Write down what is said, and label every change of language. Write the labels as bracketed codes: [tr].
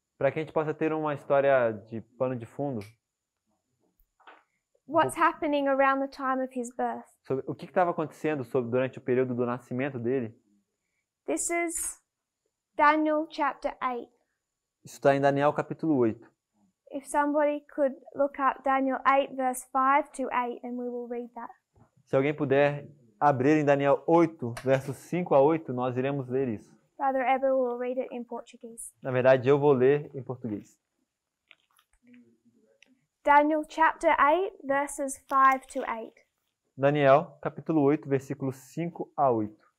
[pt] Para que a gente possa ter uma história de pano de fundo. [en] What's happening around the time of his birth? [pt] Sobre o que estava acontecendo sobre, durante o período do nascimento dele? [en] This is Daniel chapter 8. [pt] Isso está em Daniel capítulo 8. [en] If somebody could look up Daniel 8 verse 5 to 8 and we will read that. [pt] Se alguém puder abrir em Daniel 8 versos 5 a 8, nós iremos ler isso. [en] Father Eber will read it in Portuguese. [pt] Na verdade, eu vou ler em português. [en] Daniel chapter 8 verses 5 to 8. [pt] Daniel, capítulo 8, versículos 5 a 8.